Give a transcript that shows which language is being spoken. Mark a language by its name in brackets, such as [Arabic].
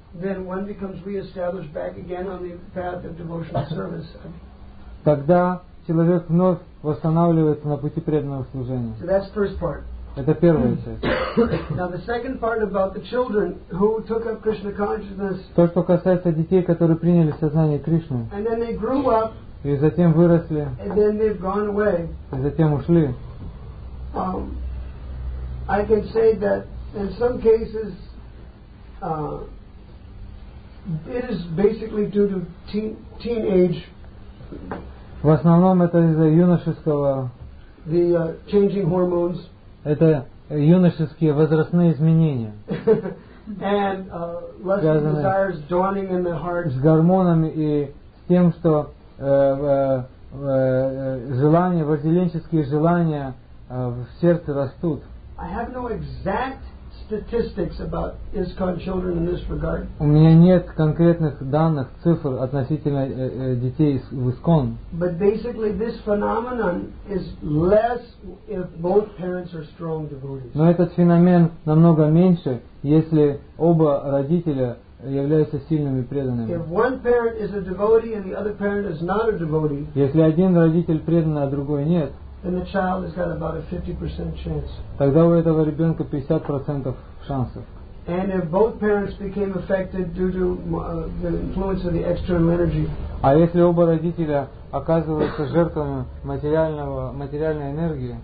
[English] Then one becomes re-established back again on the path of devotional service. [Russian] Тогда человек вновь восстанавливается на пути преданного служения. [English] So that's the first part. [Russian] Это первая часть. [English] Now the second part about the children who took up Krishna consciousness. [Russian] То, что касается детей, которые приняли сознание Кришны. [English] And then they grew up. [Russian] И затем выросли. [English] And then they've gone away. [Russian] И затем ушли. [English] I can say that in some cases it is basically due to teenage. [Russian] В основном это из-за юношеского. [English] The changing hormones. [Russian] Это юношеские возрастные изменения. [English] And lust and desires dawning in the heart. [Russian] С гормонами и с тем, что желания, вожделенческие желания в сердце растут. [English] I have no exact statistics about ISKCON children in this regard. [Russian] У меня нет конкретных данных, цифр относительно детей в ISKCON. [English] But basically this phenomenon is less if both parents are strong devotees. [Russian] Но этот феномен намного меньше, если оба родителя являются сильными преданными. [English] If one parent is a devotee and the other parent is not a devotee, [Russian] если один родитель предан, а другой нет, [English] then the child has got about a 50% chance. [Russian] Тогда у этого ребенка 50% шансов. [English] And if both parents became affected due to the influence of the external energy, [Russian] а если оба родителя оказываются жертвами материальной энергии,